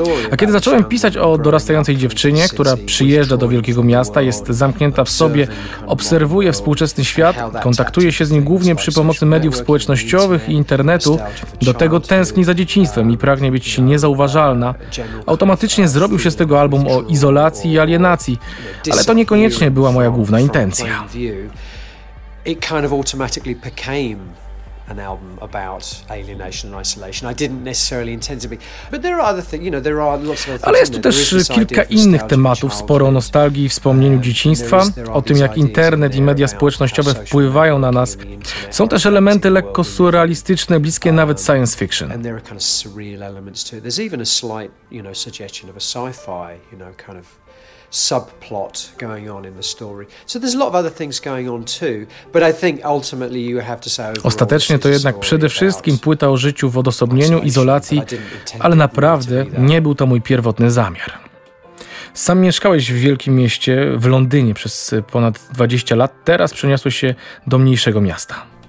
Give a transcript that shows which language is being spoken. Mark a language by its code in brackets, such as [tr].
[pl] A kiedy zacząłem pisać o dorastającej dziewczynie, która przyjeżdża do wielkiego miasta, jest zamknięta w sobie, obserwuje współczesny świat, kontaktuje się z nim głównie przy pomocy mediów społecznościowych i internetu, do tego tęskni za dzieciństwem i pragnie być niezauważalna, automatycznie zrobił się z tego album o izolacji i alienacji, ale to niekoniecznie była moja główna intencja. [en] It kind of automatically became an album about alienation and isolation. I didn't necessarily intend to be. But there are other things, you know, there are lots of other things. [pl] Ale jest tu też kilka innych tematów, sporo o nostalgii i wspomnieniu dzieciństwa, o tym, jak internet i media społecznościowe wpływają na nas. Są też elementy lekko surrealistyczne, bliskie nawet science fiction. [en] And there are kind of surreal elements to it. There's even a slight, you know, suggestion of a sci-fi, you know, kind of subplot going on in the story. So there's a lot of other things going on too, but I think ultimately you have to say. [pl] Ostatecznie to jednak przede wszystkim płyta o życiu w odosobnieniu, izolacji, ale naprawdę nie był to mój pierwotny zamiar. Sam mieszkałeś w wielkim mieście, w Londynie przez ponad 20 lat, teraz przeniosłeś się do mniejszego miasta.